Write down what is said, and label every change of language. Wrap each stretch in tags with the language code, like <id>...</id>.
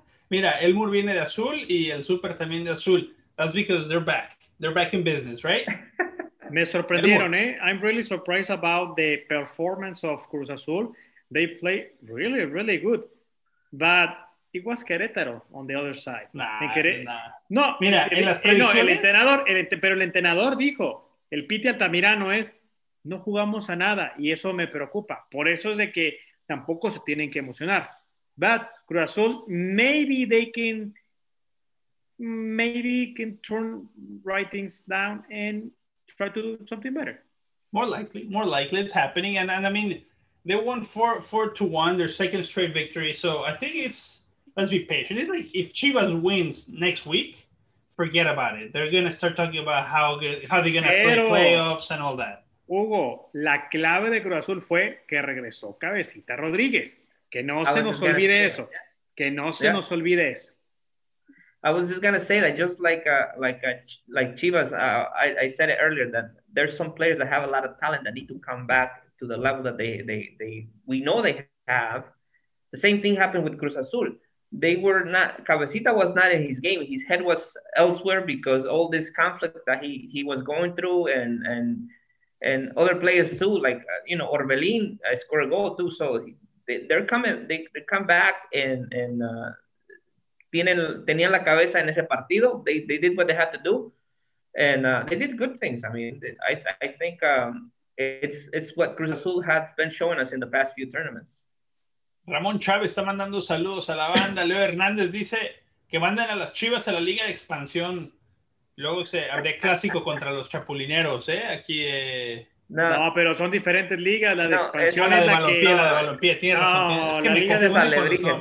<es>Mira, Elmur viene de azul y el Super también de azul.</es> <en>That's because they're back. They're back in business, right?</en> <es>Me sorprendieron,</es> <en>I'm really surprised about the performance of Cruz Azul. They played really, really good. But it was Querétaro on the other side.</en> <es>Mira, en las predicciones... No, el entrenador dijo, el Pity Altamirano es, no jugamos a nada y eso me preocupa. Por eso es de que tampoco se tienen que emocionar.</es> <en>But Cruz Azul, maybe can turn right things down and try to do something better. More likely it's happening. And I mean, they won 4-1, their second straight victory. So I think it's, let's be patient. It's like if Chivas wins next week, forget about it. They're going to start talking about how they're going to play playoffs and all that.</en> <es>Hugo, la clave de Cruz Azul fue que regresó Cabecita Rodríguez. Que no se nos olvide eso. Que no se nos olvide eso.</es> <en>I was just going to say that just like Chivas, I said it earlier that there's some players that have a lot of talent that need to come back to the level that they we know they have. The same thing happened with Cruz Azul. They were not, Cabecita was not in his game. His head was elsewhere because all this conflict that he was going through and other players too, like, you know, Orbelin scored a goal too. So they're coming, they come back and</en> <es>tienen, tenían la cabeza en ese partido.</es> <en>They did what they had to do. And they did good things. I mean, I think it's what Cruz Azul has been showing us in the past few tournaments.</en> <es>Ramón Chávez está mandando saludos a la banda. Leo Hernández dice que manden a las Chivas a la Liga de Expansión. Luego se habría clásico contra los chapulineros, aquí. No, pero son diferentes ligas, la de expansión. La de balompié, la de balompié, tiene razón. Es que la liga de alebrijes.</es>